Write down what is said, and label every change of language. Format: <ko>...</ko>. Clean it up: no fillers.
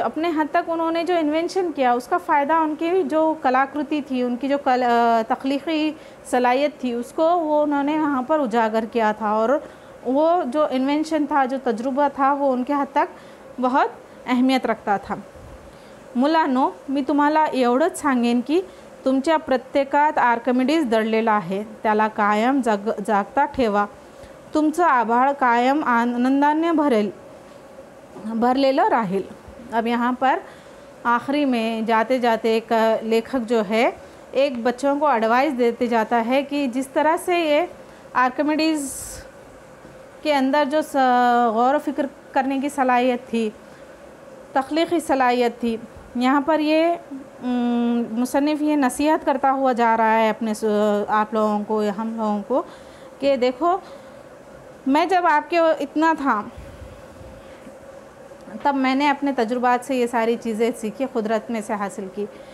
<hi>हद तक उन्होंने जो इन्वेंशन किया उसका फ़ायदा उनकी जो कलाकृति थी, उनकी जो तख्लीकी सलाहियत थी, उसको वो उन्होंने वहाँ पर उजागर किया था और वो जो इन्वेंशन था, जो तजुर्बा था, वो उनके हद तक बहुत अहमियत रखता था।</hi> <mr>मुलानो, मी तुम्हाला एवढंच सांगेन की तुमच्या प्रत्येकात आर्किमिडीज दडलेला आहे, त्याला कायम जागता ठेवा, तुमचं आभाळ कायम आनंदाने भरलेलं राहील।</mr> <hi>अब यहाँ पर आखिरी में जाते जाते एक लेखक जो है एक बच्चों को एडवाइस देते जाता है कि जिस तरह से ये आर्किमिडीज के अंदर जो गौर फिक्र करने की सलाहियत थी, तख्लीकी सलाहियत थी, यहाँ पर ये मुसन्निफ़ ये नसीहत करता हुआ जा रहा है अपने आप लोगों को, हम लोगों को, कि देखो मैं जब आपके इतना था तब मैंने अपने तजुर्बात से ये सारी चीज़ें सीखी, कुदरत में से हासिल की।</hi>